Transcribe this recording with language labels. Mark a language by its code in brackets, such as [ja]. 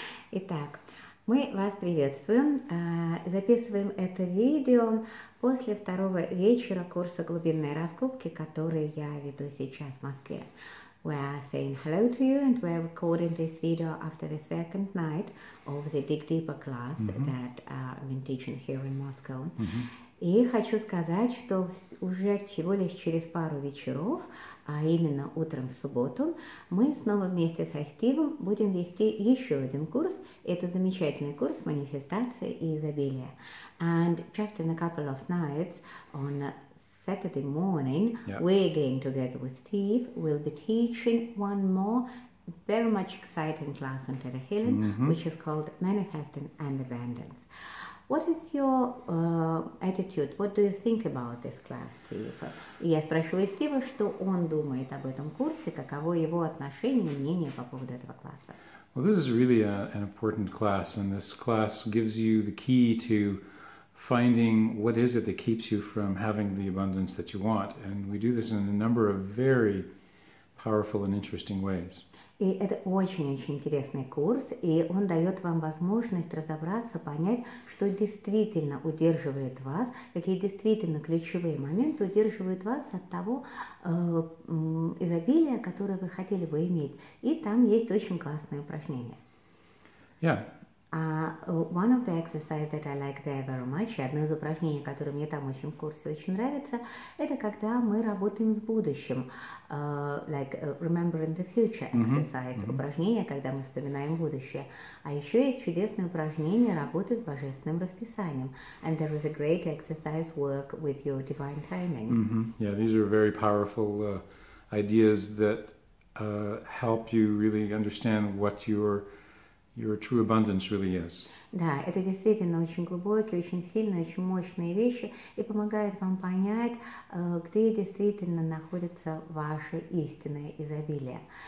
[ru] Итак, мы вас приветствуем. Записываем это видео после второго вечера курса глубинной раскопки, который я веду сейчас в Москве. [en] We are saying hello to you and we are recording this video after the second night of the Dig Deeper class that I've been teaching here in Moscow. [ru] И хочу сказать, что уже всего лишь через пару вечеров, а именно утром в субботу, мы снова вместе со Стивом будем вести еще один курс. Это замечательный курс манифестации и изобилия. [en] And just in a couple of nights, on Saturday morning, we again together with Steve will be teaching one more very much exciting class on Theta Healing, which is called Manifesting and Abundance. What is your attitude? What do you think about this class, Steve? [ru] Я спрашиваю Стива, что он думает об этом курсе, каково его отношение, мнение по поводу этого класса. [en] Well, this is really an important class, and this class gives you the key to finding what is it that keeps you from having the abundance that you want. And we do this in a number of very powerful and interesting ways. [ru] И это очень-очень интересный курс, и он дает вам возможность разобраться, понять, что действительно удерживает вас, какие действительно ключевые моменты удерживают вас от того изобилия, которое вы хотели бы иметь. И там есть очень классные упражнения. [en] One of the exercises that I like there very much, [ru] одно из упражнений, которое мне там очень в курсе очень нравится, это когда мы работаем с будущим, [en] remembering the future exercise, [ru] упражнение, когда мы вспоминаем будущее. А еще есть чудесное упражнение работы с божественным расписанием. [en] And there is a great exercise work with your divine timing. Yeah, these are very powerful ideas that help you really understand what your true abundance really is. [ru] Да, это действительно очень глубокие, очень сильные, очень мощные вещи и помогают вам понять, где действительно находится ваше истинное изобилие.